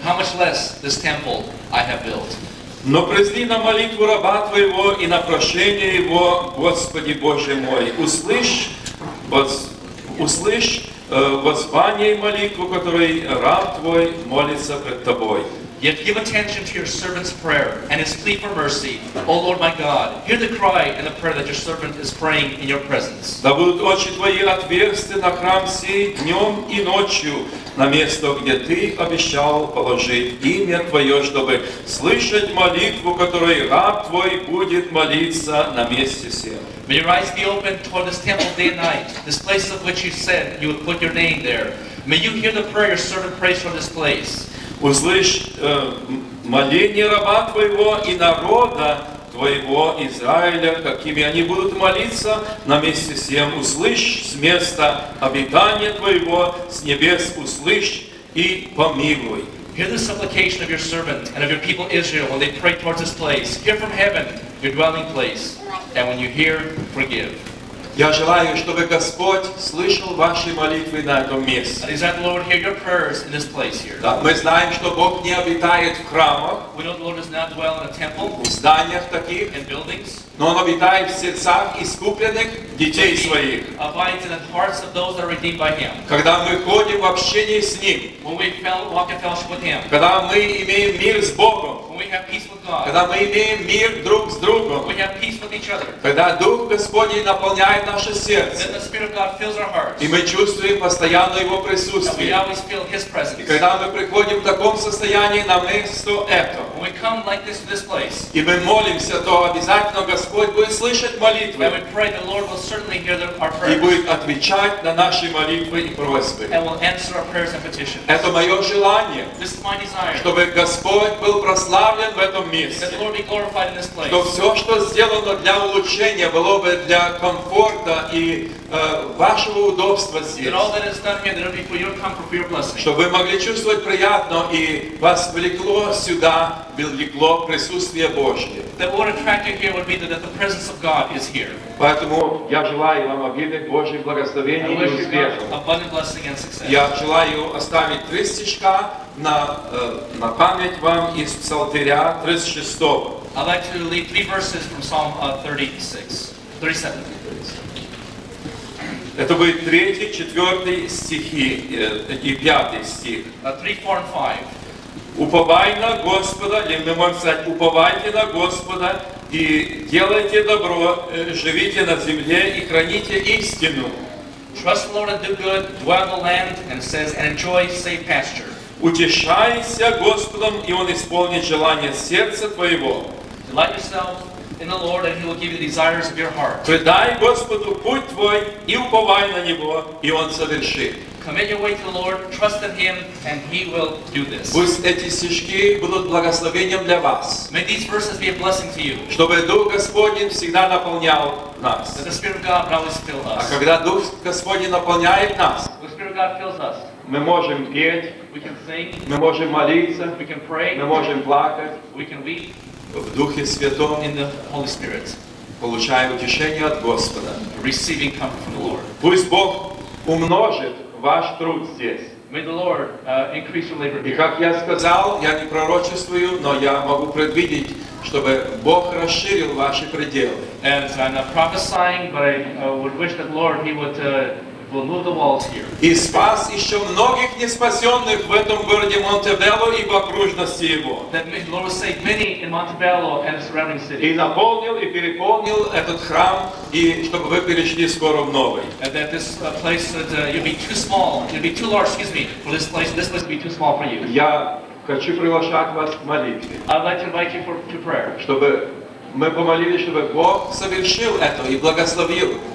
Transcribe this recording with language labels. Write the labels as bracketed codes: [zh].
[en] How much less this temple I have built? [ru] Но призни на молитву раба твоего и на прошение его, Господи Боже мой. Услышь воззвание и молитву, которой раб твой молится пред тобой. [en] Yet give attention to your servant's prayer and his plea for mercy, O Lord my God. Hear the cry and the prayer that your servant is praying in your presence. [ru] Да будут очи твои отверсты на храм сей днем и ночью, на место, где ты обещал положить имя твое, чтобы слышать молитву, которой раб твой будет молиться на месте сем. [en] May your eyes be open toward this temple day and night, this place of which you said you would put your name there. May you hear the prayer your servant prays from this place. [ru] Услышь моление раба твоего и народа твоего Израиля, какими они будут молиться на месте сем. Услышь с места обитания твоего, с небес услышь и помилуй. [en] Hear the supplication of your servant and of your people Israel when they pray towards this place. Hear from heaven, your dwelling place, and when you hear, forgive. [ru] Я желаю, чтобы Господь слышал ваши молитвы на этом месте. [en] That the Lord hear your prayers in this place here? [ru] Да, мы знаем, что Бог не обитает в храмах. [en] We know the Lord does not dwell in a temple. [ru] В зданиях таких. [en] In buildings. [ru] Но Он обитает в сердцах искупленных детей Своих. [en] He abides in the hearts of those that are redeemed by Him. [ru] Когда мы ходим в общении с Ним. [en] When we walk in fellowship with Him. [ru] Когда мы имеем мир с Богом. [en] We have peace with God. [ru] Когда мы имеем мир друг с другом. [en] We have peace with each other. [ru] Когда Дух Господень наполняет наше сердце. [en] Then the Spirit of God fills our hearts. [ru] И мы чувствуем постоянно Его присутствие. [en] And we always feel His presence. [ru] И когда мы приходим в таком состоянии на место это. [en] When we come like this to this place. [ru] И мы молимся, то обязательно Господь будет слышать молитвы. [en] And we pray the Lord will certainly hear our prayers. [ru] И будет отвечать на наши молитвы и просьбы. [en] And will answer our prayers and petitions. [ru] Это мое желание. [en] This is my desire. [ru] Чтобы Господь был прославлен. [en] That the Lord be glorified in this place. [ru] Что все, что сделано для улучшения, было бы для комфорта и вашего удобства здесь. [en] That all that is done here, that it will be for your comfort, for your blessing. [ru] Чтобы вы могли чувствовать приятно и вас влекло сюда, влекло присутствие Божье. [en] That what attracts you here would be that the presence of God is here. [ru] Поэтому я желаю вам обильных Божьих благословений и успехов. Я желаю оставить три стишка на память вам из Псалтыря 36. [en] I'd like to leave three verses from Psalm 36. 37. [ru] Это будет третий, четвертый стихи и пятый стих. [en] 3, 4, 5. [ru] Уповай на Господа, или мы можем сказать, уповайте на Господа и делайте добро, живите на земле и храните истину. [en] Trust the Lord and do good, dwell in the land, and it says, and enjoy safe pasture. [ru] Утешайся Господом, и Он исполнит желание сердца твоего. [en] Delight yourself in the Lord, and He will give you the desires of your heart. [ru] Предай Господу путь твой, и уповай на Него, и Он совершит. [en] Commit your way to the Lord, trust in Him, and He will do this. [ru] Пусть эти стишки будут благословением для вас. [en] May these verses be a blessing to you. [ru] Чтобы Дух Господень всегда наполнял нас. [en] That the Spirit of God always fill us. [ru] А когда Дух Господень наполняет нас, [en] the Spirit of God fills us. [ru] Мы можем петь, [en] we can sing, [ru] мы можем молиться, [en] we can pray, [ru] мы можем плакать, [en] we can weep. [ru] В Духе Святом, [en] in the Holy Spirit, [ru] получая утешение от Господа, [en] receiving comfort from the Lord. [ru] Пусть Бог умножит ваш труд здесь. [en] May the Lord increase your labor. [ru] И как я сказал, я не пророчествую, но я могу предвидеть, чтобы Бог расширил ваши пределы. [en] And so I'm not prophesying, but I would wish that Lord He would will move the walls here. [ru] И спас еще многих неспасенных в этом городе Монтебелло и в окружности его. [en] That the Lord will save many in Montebello and the surrounding cities. [ru] И наполнил и переполнил этот храм, и чтобы вы перешли скоро в новый. [en] And that this place that you'll be too small, you'll be too large, excuse me, for this place will be too small for you. [ru] Я хочу приглашать вас к молитве. [en] I'd like to invite you to prayer. [ru] Чтобы мы помолились, чтобы Бог совершил это и благословил.